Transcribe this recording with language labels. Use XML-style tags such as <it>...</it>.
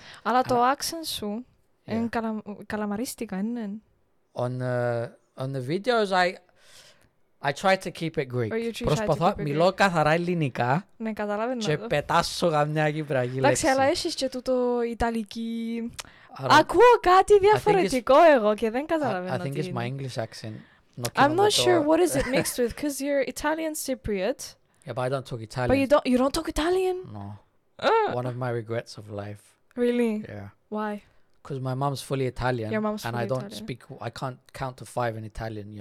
<el>Αλλά το accent σου είναι καλαμαρίστικα, είναι.</el> <en>On the videos, I try to keep it Greek.</en> <el>Προσπαθώ, μιλώ καθαρά ελληνικά. Ναι, καταλαβαίνω. Και πετάσω καμιά κυπριακή λέξη. Εντάξει, αλλά έχεις και τούτο ιταλική. Ακούω κάτι διαφορετικό εγώ και δεν καταλαβαίνω.</el> <en>I think it's my English accent. I'm not sure what is it mixed with, because you're Italian Cypriot. Yeah, but I don't talk Italian. But you don't talk Italian? No. One of my regrets of life. Really? Yeah. Why? Because my mom's fully Italian. Your mom's fully Italian. And I don't Italian. Speak, I can't count to five in Italian. You</en>